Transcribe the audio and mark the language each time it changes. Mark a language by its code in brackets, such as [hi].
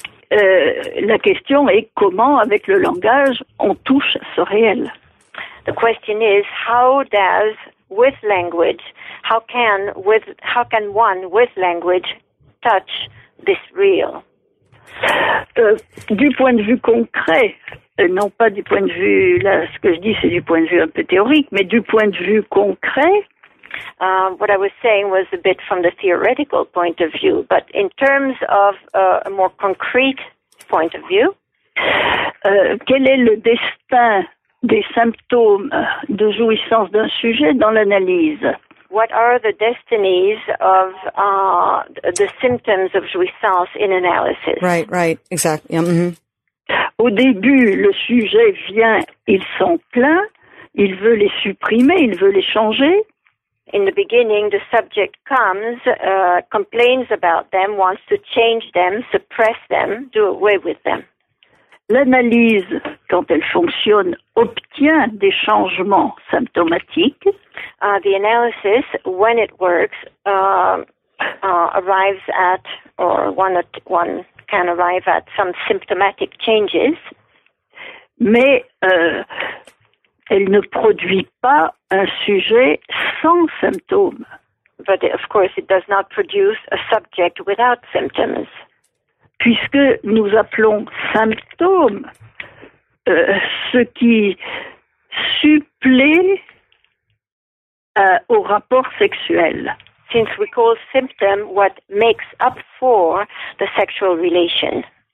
[fr] La question est comment, avec le langage, on touche ce réel. [en] The question is how can one with language touch this real? [fr] Du point de vue concret, non pas du point de vue là, ce que je dis c'est du point de vue un peu théorique, mais du point de vue concret. [en] What I was saying was a bit from the theoretical point of view, but in terms of a more concrete point of view, [fr] quel est le destin des symptômes de jouissance d'un sujet dans l'analyse? [en] What are the destinies of the symptoms of jouissance in analysis? Right, exactly. Yeah, mm-hmm. [fr] Au début, le sujet vient, il s'en plaint, il veut les supprimer, il veut les changer. [en] In the beginning, the subject comes, complains about them, wants to change them, suppress them, do away with them. [fr] L'analyse, quand elle fonctionne, obtient des changements symptomatiques. [en] The analysis, when it works, arrives at, or one can arrive at, some symptomatic changes. [fr] Mais... elle ne produit pas un sujet sans symptômes. [en] But of course, it does not produce a subject without symptoms. [fr] Puisque nous appelons symptômes ce qui supplée au rapport sexuel. [en] Since we call symptom what makes up for the sexual relation.